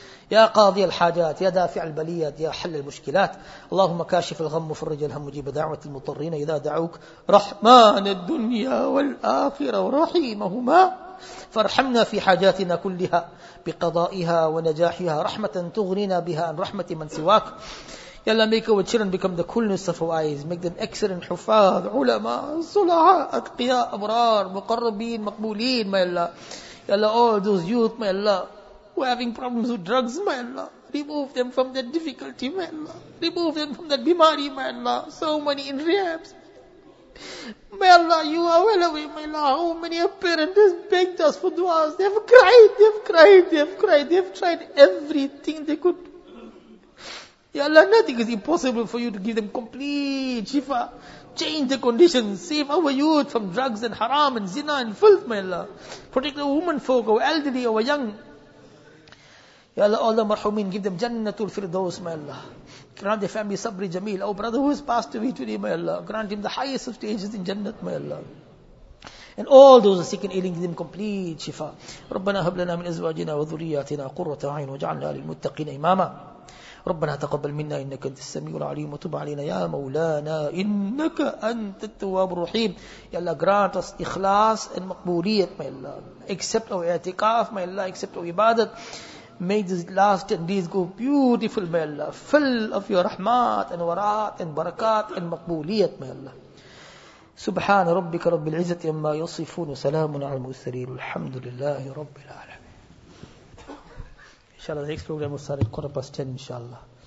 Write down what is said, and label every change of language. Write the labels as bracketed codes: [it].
[ar] يا قاضي الحاجات، يا دافع البليات، يا حل المشكلات، اللهم كاشف الغم وفرج الهم وجيب دعوة المضطرين إذا دعوك، رحمن الدنيا والآخرة ورحيمهما، فارحمنا في حاجاتنا كلها بقضائها ونجاحها رحمة تغنينا بها عن رحمة من سواك. [en] Allah, make our children become the coolness of our eyes. Make them excellent hufad, ulama, sulaha, atqiya, abrar, muqarrabin, maqbooleen, my Allah. Allah, all those youth, my Allah, who are having problems with drugs, my Allah. Remove them from that difficulty, my Allah. Remove them from that bimari, my Allah. So many in rehabs. May Allah, you are well away, my Allah. How many a parent has begged us for duas. They have cried, they have cried, they have cried. They have tried everything they could. Ya Allah, nothing is impossible for you to give them complete shifa. Change the conditions. Save our youth from drugs and haram and zina and filth, my Allah. Protect our women folk, our elderly, our young. Ya Allah, all the marhumin, give them jannatul firdaus, my Allah. Grant their family sabri jameel. Our brother who has passed away today, my Allah. Grant him the highest of stages in jannat, my Allah. And all those who are sick and ailing, give them complete shifa. [ar] Rabbana hablana min azwajina wa dhuriyatina qurrata a'yun waj'alna lil muttaqin imama. ربنا تقبل منا إنك أنت السميع العليم وتب علينا يا مولانا إنك أنت التواب الرحيم. [en] يا الله grant us إخلاص and مقبولية. May Allah accept our اعتقاف. May Allah accept our ibadat. May this last 10 days go beautiful. May Allah full of your rahmat and warat and barakat and مقبولية. May Allah [ar] سبحان ربك رب العزة أما يصفون وسلام على المرسلين الحمد لله رب العالمين. [en] Inshallah, the next program will start at 10:15, inshallah.